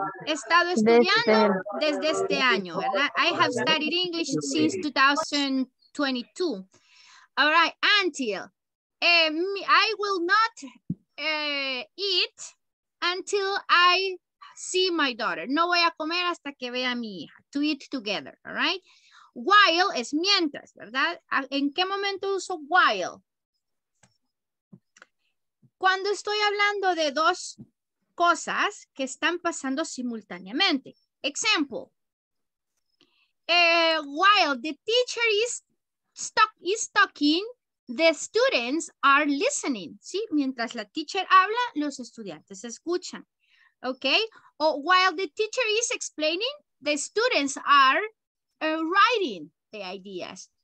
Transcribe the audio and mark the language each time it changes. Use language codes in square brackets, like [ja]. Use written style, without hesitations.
[es] He estado estudiando desde este año, ¿verdad? [en] I have studied English since 2022. All right, until. I will not eat until I see my daughter. [es] No voy a comer hasta que vea a mi hija. [en] To eat together, all right? [es] While es mientras, ¿verdad? ¿En qué momento uso while? Cuando estoy hablando de dos cosas que están pasando simultáneamente. [en] Example. While the teacher is talking, the students are listening. ¿Sí? [es] Mientras la teacher habla, los estudiantes escuchan. Okay? [en] O while the teacher is explaining, the students are writing the ideas.